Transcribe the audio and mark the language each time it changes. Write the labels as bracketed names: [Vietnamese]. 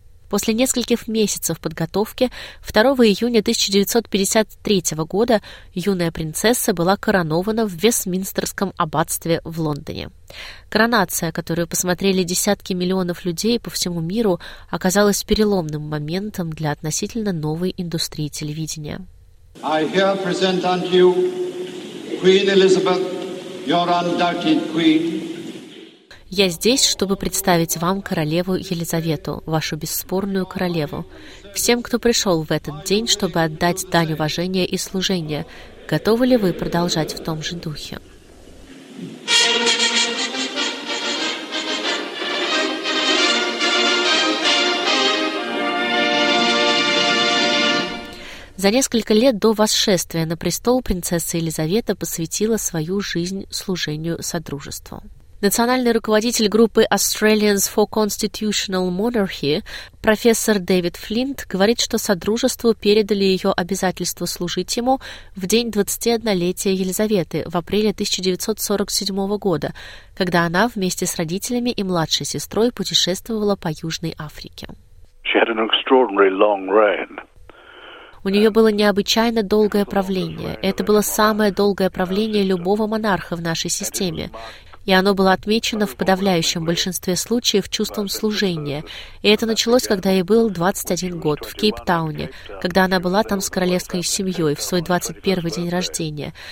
[Russian] После нескольких месяцев подготовки 2 июня 1953 года юная принцесса была коронована в Вестминстерском аббатстве в Лондоне. Коронация, которую посмотрели десятки миллионов людей по всему миру, оказалась переломным моментом для относительно новой индустрии телевидения. [English] I here present unto you Queen Elizabeth. Your undoubted queen. [Russian] Я здесь, чтобы представить вам королеву Елизавету, вашу бесспорную королеву. Всем, кто пришел в этот день, чтобы отдать дань уважения и служения, готовы ли вы продолжать в том же духе? За несколько лет до восшествия на престол принцесса Елизавета посвятила свою жизнь служению Содружеству. Национальный руководитель группы Australians for Constitutional Monarchy профессор Дэвид Флинт говорит, что Содружеству передали ее обязательство служить ему в день 21-летия Елизаветы в апреле 1947 года, когда она вместе с родителями и младшей сестрой путешествовала по Южной Африке. [English] She had an extraordinary long reign. [Russian] У нее было необычайно долгое правление. Это было самое долгое правление любого монарха в нашей системе. И оно было отмечено в подавляющем большинстве случаев чувством служения. И это началось, когда ей был 21 год, в Кейптауне, когда она была там с королевской семьей в свой 21-й день рождения.